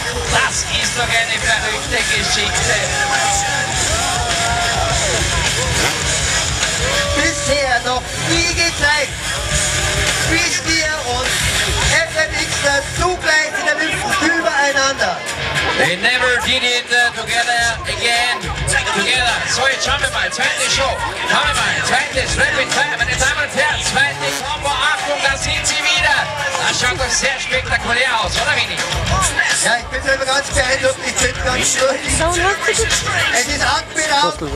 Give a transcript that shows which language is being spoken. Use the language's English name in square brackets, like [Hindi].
[German] Das ist doch eine verrückte Geschichte! Bisher noch nie gezeigt, wie Stier und FMX zugleich in der Luft übereinander. [English] They never did it together again. Together. [German] So, jetzt schauen wir mal. Zweite Show. Schauen wir mal. Zweites Rapid Fire, meine Damen und Herren. Zweite Combo. Achtung, da sind sie wieder. Das schaut doch sehr spektakulär aus, oder, Winnie? Ja, ich bin selber ganz beeindruckt. Ich zit ganz durch. Es ist atemberaubend.